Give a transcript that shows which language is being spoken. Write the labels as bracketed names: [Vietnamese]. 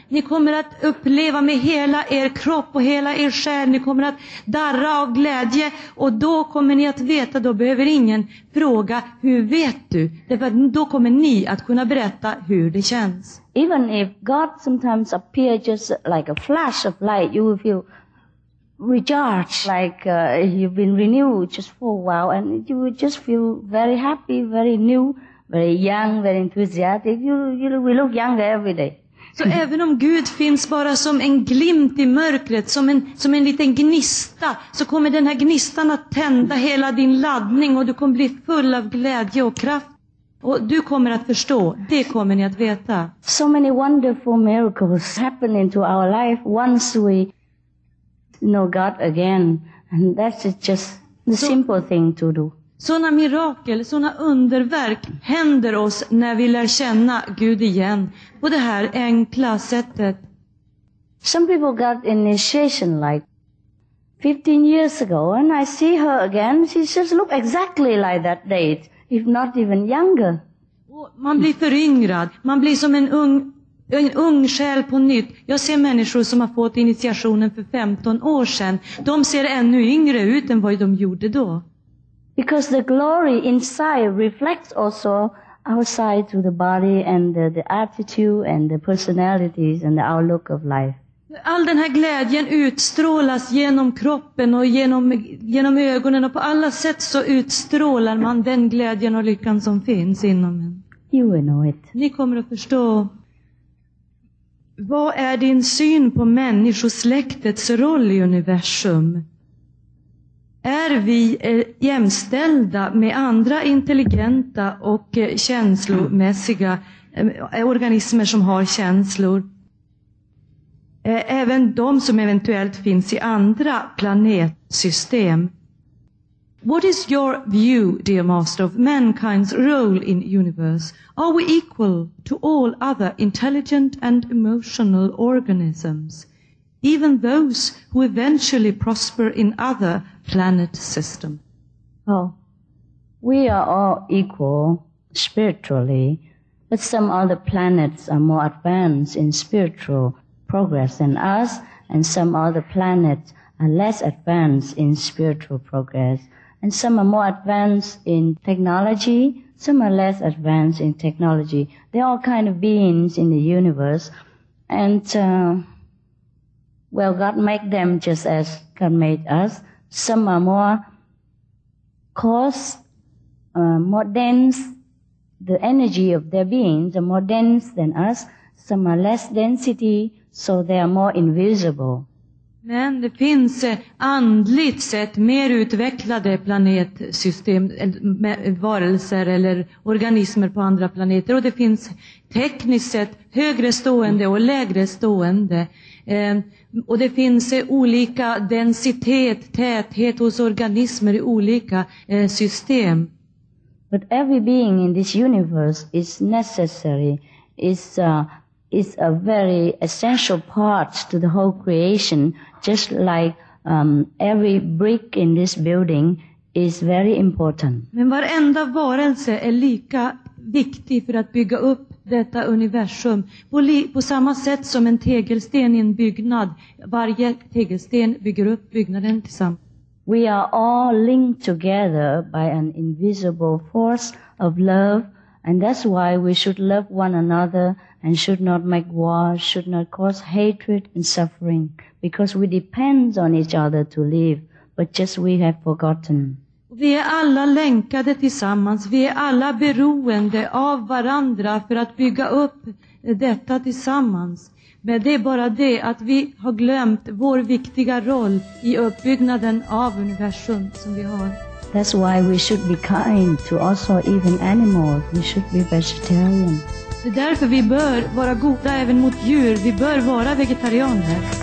[Swedish] Ni kommer att uppleva med hela er kropp och hela er själ. Ni kommer att darra av glädje. Och då kommer ni att veta, då behöver ingen fråga, hur vet du? Därför att då kommer ni att kunna berätta hur det känns. [English] Even if God sometimes appears just like a flash of light, you will feel recharged, like you've been renewed just for a while, and you will just feel very happy, very new, very young, very enthusiastic. You will look younger every day. [Swedish] Så även om Gud finns bara som en glimt i mörkret, som en liten gnista, så kommer den här gnistan att tända hela din laddning och du kommer bli full av glädje och kraft. Och du kommer att förstå, det kommer ni att veta. [English] So many wonderful miracles happen into our life once we know God again. And that's just the simple thing to do. [Swedish] Såna mirakel, såna underverk händer oss när vi lär känna Gud igen på det här enkla sättet. [English] Some people got initiation like 15 years ago, and I see her again. She just look exactly like that date, if not even younger. [Swedish] Man blir föryngrad. Man blir som en ung själ på nytt. Jag ser människor som har fått initiationen för 15 år sedan. De ser ännu yngre ut än vad de gjorde då. [English] Because the glory inside reflects also outside to the body and the attitude and the personalities and the outlook of life. [Swedish] All den här glädjen utstrålas genom kroppen och genom ögonen, och på alla sätt så utstrålar man den glädjen och lyckan som finns inom en. [English] You will know it. [Swedish] Ni kommer att förstå. Vad är din syn på människosläktets roll i universum? Är vi jämställda med andra intelligenta och känslomässiga organismer som har känslor? Även de som eventuellt finns i andra planetsystem. [English] What is your view, dear master, of mankind's role in universe? Are we equal to all other intelligent and emotional organisms, even those who eventually prosper in other planet systems? Oh, we are all equal spiritually, but some other planets are more advanced in spiritual progress than us, and some other planets are less advanced in spiritual progress, and some are more advanced in technology, some are less advanced in technology. They're all kind of beings in the universe, and God made them just as God made us. Some are more coarse, more dense, the energy of their beings are more dense than us, some are less density. So they are more invisible. [Swedish] Men det finns andligt sett mer utvecklade planetsystem, varelser eller organismer på andra planeter. Och det finns tekniskt sett högre stående och lägre stående. Och det finns olika densitet, täthet hos organismer i olika system. [English] But every being in this universe is necessary, is a very essential part to the whole creation, just like every brick in this building is very important. [Swedish] Men varenda varelse är lika viktig för att bygga upp detta universum. På samma sätt som en tegelsten i en byggnad. Varje tegelsten bygger upp byggnaden tillsammans. [English] We are all linked together by an invisible force of love, and that's why we should love one another and should not make war, should not cause hatred and suffering, because we depend on each other to live, but just we have forgotten. [Swedish] Vi är alla länkade tillsammans. Vi är alla beroende av varandra för att bygga upp detta tillsammans. Men det är bara det att vi har glömt vår viktiga roll i uppbyggnaden av universum som vi har. [English] That's why we should be kind to also even animals. We should be vegetarian. [Swedish] Det är därför vi bör vara goda även mot djur. Vi bör vara vegetarianer.